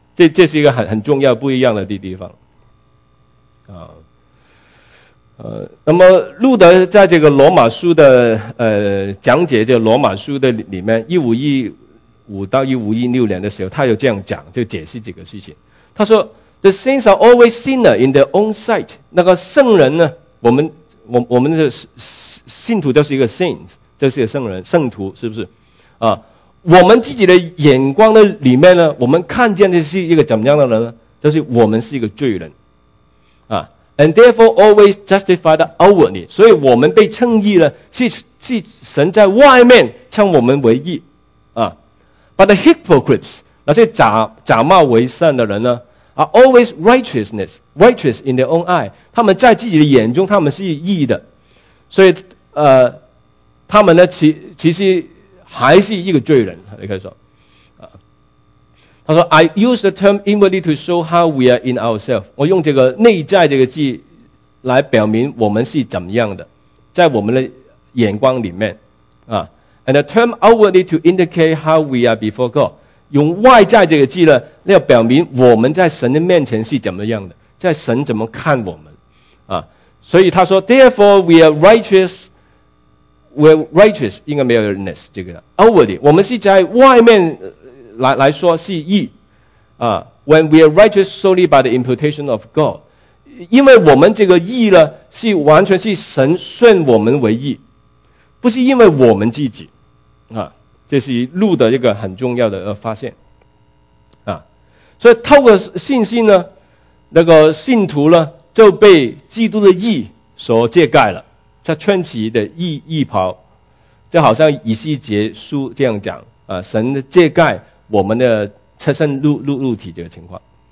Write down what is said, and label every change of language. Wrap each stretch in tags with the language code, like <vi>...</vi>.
<zh>这是一个很重要不一样的地方啊。那么路德在这个罗马书的讲解，这个罗马书的里面1515到1516年的时候，他有这样讲，就解释这个事情。他说 ：“</zh> <en>The saints are always sinner in their own sight。”</en> <zh>那个圣人呢，我们的信徒就是一个 saints， 就是一个圣人圣徒，是不是？啊，我们自己的眼光的里面呢，我们看见的是一个怎么样的人呢？就是我们是一个罪人啊。</zh> <en>And therefore always justified outwardly.</en> <zh>所以我们被称义了，是神在外面称我们为义啊。</zh> <en>But the hypocrites,</en> <zh>那些假冒为善的人呢</zh> <en>，are always righteous in their own eye.</en> <zh>他们在自己的眼中，他们是义的。所以，他们呢，其实还是一个罪人。你可以说，他说 ，</zh> <en>I use the term inwardly to show how we are in ourselves.</en> <zh>我用这个内在这个字来表明我们是怎么样的，在我们的眼光里面啊。</zh> <en>And the term outwardly to indicate how we are before God.</en> <zh>用外在这个字呢，要表明我们在神的面前是怎么样的，在神怎么看我们啊。所以他说 ，</zh> <en>Therefore we are righteous. We're righteous.</en> <zh>应该没有 ness 这个 outwardly. 我们是在外面来说是义啊。</zh> <en>When we are righteous solely by the imputation of God.</en> <zh>因为我们这个义呢，是完全是神算我们为义，不是因为我们自己啊。这是路的一个很重要的发现啊。所以透过信心呢，那个信徒呢就被基督的义所遮盖了，他穿起的义袍，就好像以西结书这样讲啊，神的遮盖我们的赤身露体这个情况。</zh>